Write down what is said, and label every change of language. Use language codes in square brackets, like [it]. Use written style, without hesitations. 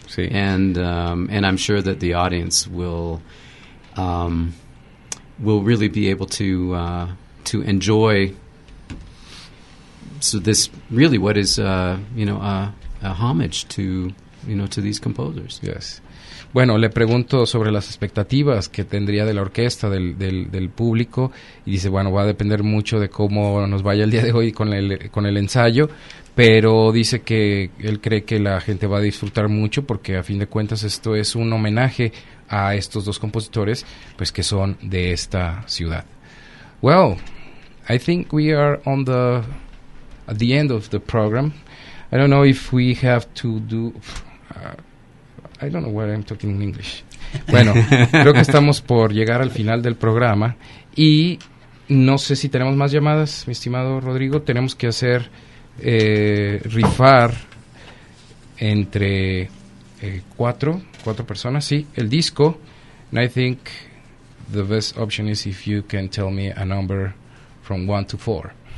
[en] And I'm sure that the audience will really be able to enjoy. So this really what is a homage to, you know, to these composers. Yes. [es] Bueno, le pregunto sobre las expectativas que tendría de la orquesta, del público, y dice, bueno, va a depender mucho de cómo nos vaya el día de hoy con el ensayo, pero dice que él cree que la gente va a disfrutar mucho porque a fin de cuentas esto es un homenaje a estos dos compositores, pues que son de esta ciudad. [en] Well, I think we are at the end of the program. I don't know if we have to do... I don't know why I'm talking in English. [es] Bueno, creo que estamos por llegar al final del programa. Y no sé si tenemos más llamadas, mi estimado Rodrigo. Tenemos que hacer rifar entre cuatro personas, sí, el disco. [en] And I think the best option is if you can tell me a number from 1 to 4.